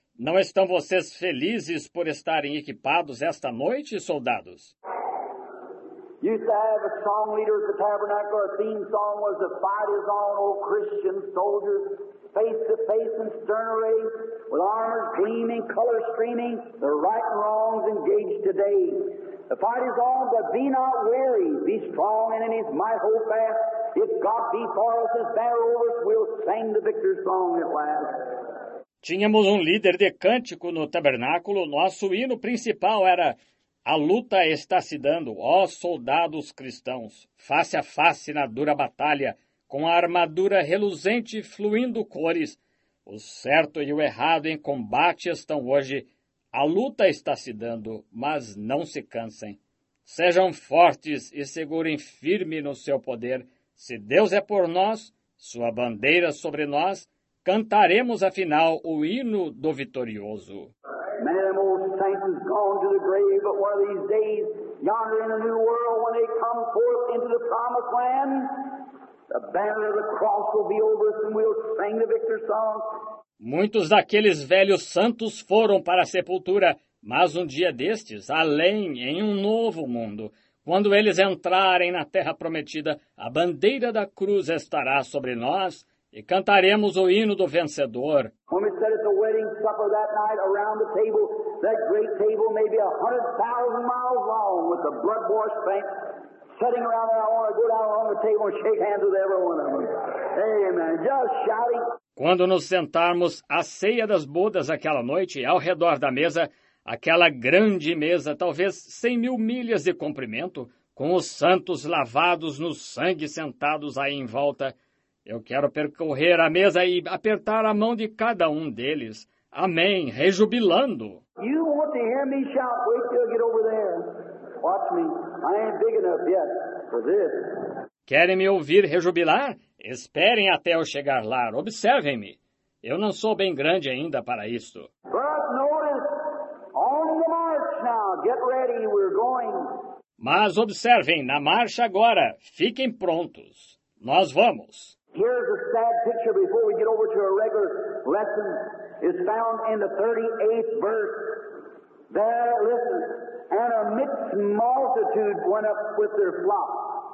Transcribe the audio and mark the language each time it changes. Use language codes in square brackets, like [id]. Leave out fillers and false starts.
[pt] Não estão vocês felizes por estarem equipados esta noite, soldados? [en] You used to have a song leader at the tabernacle. Our theme song was "The Fight Is On, O Christian Soldiers, Face to Face and Stern Array, with Armors Gleaming, Color Streaming, the Right and Wrongs Engaged Today. The fight is on, but be not weary. Be strong and in His might hold fast. If God be for us, His banner over us, we'll sing the victor's song at last." [pt] Tínhamos líder de cântico no tabernáculo. Nosso hino principal era: a luta está se dando, ó soldados cristãos, face a face na dura batalha, com a armadura reluzente fluindo cores. O certo e o errado em combate estão hoje. A luta está se dando, mas não se cansem. Sejam fortes e segurem firme no seu poder. Se Deus é por nós, sua bandeira sobre nós, cantaremos afinal o hino do vitorioso. [en] Satan's gone to the grave, but one of these days, yonder in a new world, when they come forth into the promised land, the banner of the cross will be over us and we'll sing the victor's song. [pt] Muitos daqueles velhos santos foram para a sepultura, mas dia destes, além, em novo mundo, quando eles entrarem na terra prometida, a bandeira da cruz estará sobre nós e cantaremos o hino do vencedor. [en] When we sat at the wedding supper that night around the table, that great table may be 100,000 miles long with the blood-washed saints sitting around there. I want to go down along the table and shake hands with every one of them. Amen. Just shouting. [pt] Quando nos sentarmos à ceia das bodas aquela noite, ao redor da mesa, aquela grande mesa, talvez 100 mil milhas de comprimento, com os santos lavados no sangue sentados aí em volta, eu quero percorrer a mesa e apertar a mão de cada deles. Amém, rejubilando. [en] You want to hear me shout? Wait till I get over there. Watch me. I ain't big enough yet for this. [pt] Querem me ouvir rejubilar? Esperem até eu chegar lá. Observem-me. Eu não sou bem grande ainda para isto. [en] But notice, on the march now. Get ready, we're going. [pt] Mas observem, na marcha agora. Fiquem prontos. Nós vamos. [en] Here's a sad picture before we get over to a regular lesson. Is found in the 38th verse. There, listen, and a mixed multitude went up with their flock.